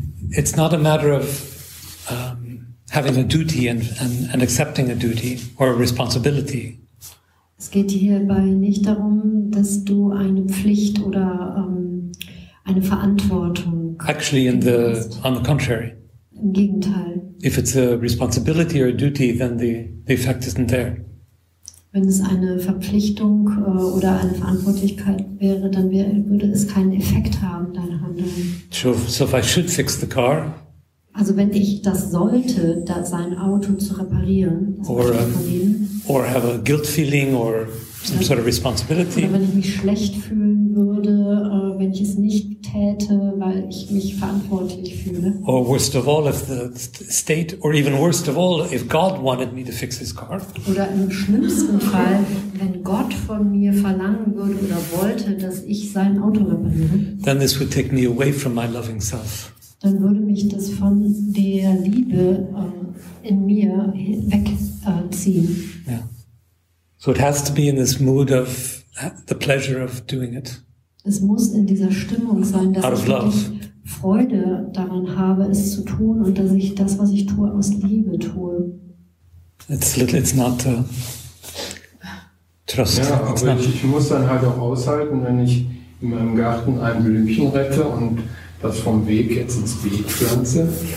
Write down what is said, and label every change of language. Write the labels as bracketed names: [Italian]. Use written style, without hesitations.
[English] It's not a matter of having a duty and accepting a duty or a responsibility. [German] Es geht hierbei nicht darum, dass du eine Pflicht oder eine Verantwortung. [English] Actually, on the contrary. [German] Im Gegenteil. [English] If it's a responsibility or a duty, then the effect isn't there. [German] Wenn es eine Verpflichtung oder eine Verantwortlichkeit wäre, dann würde es keinen Effekt haben, dein Handeln. [English] So if I should fix the car. [German] Also wenn ich das sollte, sein Auto zu reparieren. [English] Or have a guilt feeling or some sort of responsibility. [German] Oder wenn ich mich schlecht fühlen würde, wenn ich es nicht täte, weil ich mich verantwortlich fühle. [English] Or worst of all, if the state, or even worst of all, if God wanted me to fix his car. [German] Oder im schlimmsten Fall, wenn Gott von mir verlangen würde oder wollte, dass ich sein Auto repariere. [English] Then this would take me away from my loving self. [German] Dann würde mich das von der Liebe in mir wegziehen. [English] Yeah. So it has to be in this mood of the pleasure of doing it. [German] Es muss in dieser Stimmung sein, dass ich wirklich Freude daran habe, es zu tun und dass ich das, was ich tue, aus Liebe tue. Ich muss dann halt auch aushalten, wenn ich in meinem Garten ein Blümchen rette und das vom Weg jetzt ins Beet pflanze.